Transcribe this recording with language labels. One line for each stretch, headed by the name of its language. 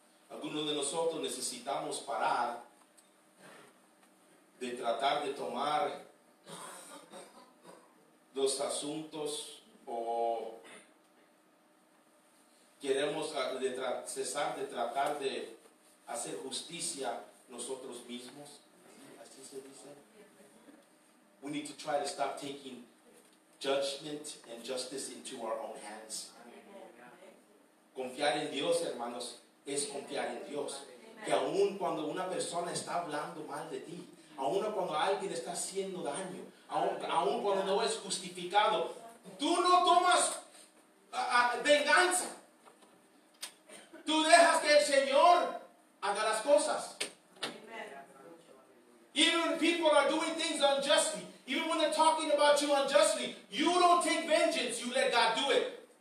Spanish: Algunos de nosotros necesitamos parar de tratar de tomar los asuntos o queremos cesar de tratar de hacer justicia nosotros mismos. Así se dice.
English: We need to try to stop taking judgment and justice into our own hands.
Spanish: Confiar en Dios, hermanos, es confiar en Dios. Que aun cuando una persona está hablando mal de ti, aun cuando alguien está haciendo daño, aun cuando no es justificado, tú no tomas venganza. Tú dejas que el Señor haga las cosas.
English: Even when people are doing things unjustly, even when they're talking about you unjustly, you don't take vengeance, you let God do it.